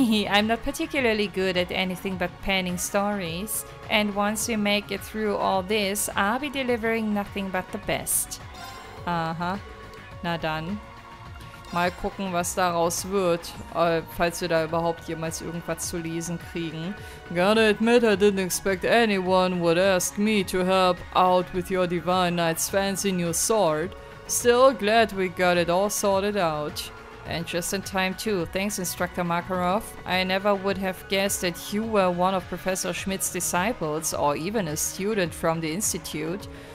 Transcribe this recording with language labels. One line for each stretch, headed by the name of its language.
English: I'm not particularly good at anything but penning stories, and once we make it through all this, I'll be delivering nothing but the best.
German: Aha. Na dann. Mal gucken, was daraus wird, falls wir da überhaupt jemals irgendwas zu lesen kriegen.
English: Gotta admit, I didn't expect anyone would ask me to help out with your Divine Knight's fancy new sword. Still glad we got it all sorted out. And just in time too, thanks Instructor Makarov. I never would have guessed that you were one of Professor Schmidt's disciples, or even a student from the Institute.